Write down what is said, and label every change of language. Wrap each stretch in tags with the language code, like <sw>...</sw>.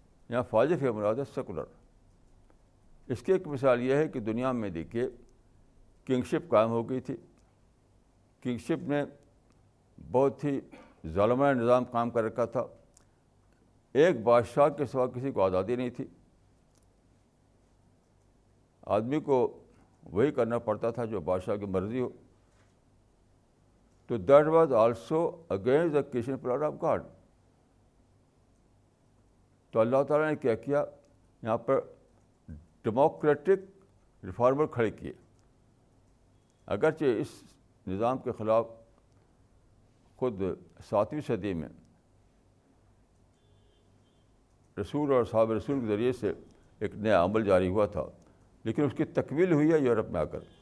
<ur>یہاں فاجر کی مراد ہے سیکولر. اس کی ایک مثال یہ ہے کہ دنیا میں دیکھیے, کنگشپ قائم ہو گئی تھی, کنگشپ نے بہت ہی ظالمانہ نظام قائم کر رکھا تھا, ایک بادشاہ کے سوا کسی کو آزادی نہیں تھی, آدمی کو وہی کرنا پڑتا تھا جو بادشاہ کی مرضی ہو.</ur> <en>تو that was also against the creation plan of God.</en> <ur>تو اللہ تعالیٰ نے کیا کیا, یہاں پر ڈیموکریٹک ریفارمر کھڑے کیے, اگرچہ اس نظام کے خلاف خود</ur> <en>7th century</en> <ur>میں رسول اور صحابہ رسول کے ذریعے سے ایک نیا عمل جاری ہوا تھا, لیکن اس کی تکمیل ہوئی ہے یورپ میں آ کر.</ur>